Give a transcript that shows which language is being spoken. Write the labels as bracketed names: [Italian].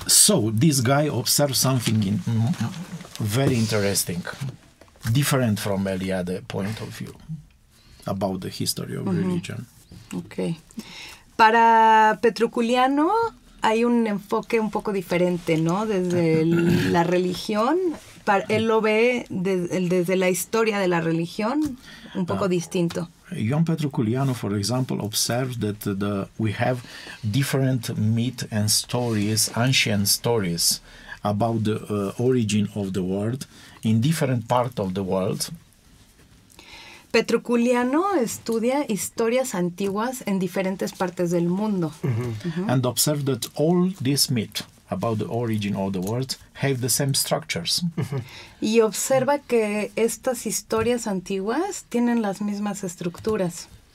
[English] So, this guy observed something very interesting, different from Eliade point of view, about the history of religion. Okay. [Spanish] Para Petru Culianu hay un enfoque un poco diferente, ¿no? Desde la religión, él lo ve desde la historia de la religión, un poco distinto. [English] Ioan Petru Culianu, for example, observed that we have different myths and stories, ancient stories, about the origin of the world in different parts of the world. [Spanish] Petru Culianu estudia historias antiguas en diferentes partes del mundo. Mm-hmm. Mm-hmm. [English] And observed that all these myths about the origin of the world have the same structures. [Spanish] Y observa que estas historias antiguas tienen las mismas estructuras.